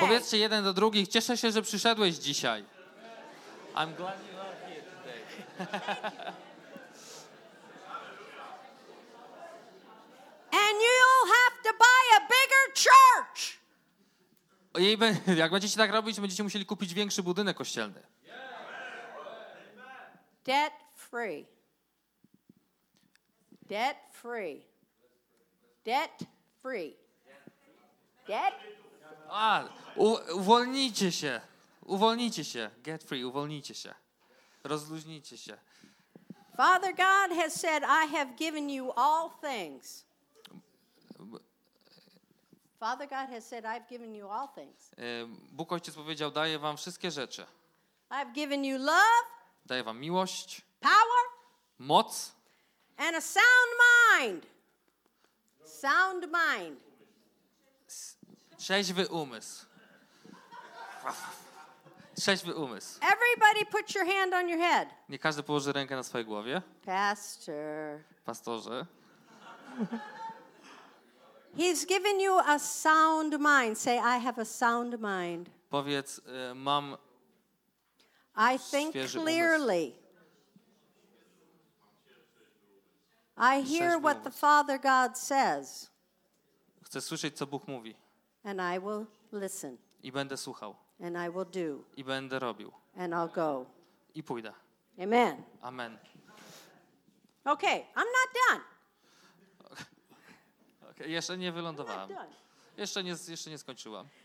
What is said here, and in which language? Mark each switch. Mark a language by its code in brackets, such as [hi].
[pl] Powiedzcie jeden do drugich, cieszę się, że przyszedłeś dzisiaj. [en] I'm glad you are here today. And you'll have to buy a bigger church. [pl] I jak będziecie tak robić, będziecie musieli kupić większy budynek kościelny. [en] Debt free. Debt free. Debt free. Debt? [pl] A, uwolnijcie się. Uwolnijcie się. [en] Get free, [pl] uwolnijcie się. Rozluźnijcie się. [en] Father God has said, I have given you all things. Father God has said, I've given you all things. [pl] Bóg Ojciec powiedział, daję wam wszystkie rzeczy. [en] I've given you love. [pl] Daję wam miłość. [en] Power. [pl] Moc. [en] And a sound mind. Sound mind. [pl] Trzeźwy umysł. Trzeźwy umysł. [en] Everybody put your hand on your head. [pl] Nie każdy położy rękę na swojej głowie. [en] Pastor. [pl] Pastorze. [en] He's given you a sound mind. Say, I have a sound mind. [pl] Powiedz, mam [en] I think clearly. I hear what the Father God says. [pl] Chcę słyszeć, co Bóg mówi. [en] And I will listen. [pl] I będę słuchał. [en] And I will do. [pl] I będę robił. [en] And I'll go. [pl] I pójdę. [en] Amen. [pl] Amen. [en] Okay, I'm not done. [pl] Okay, jeszcze nie wylądowałem. Jeszcze nie skończyłam.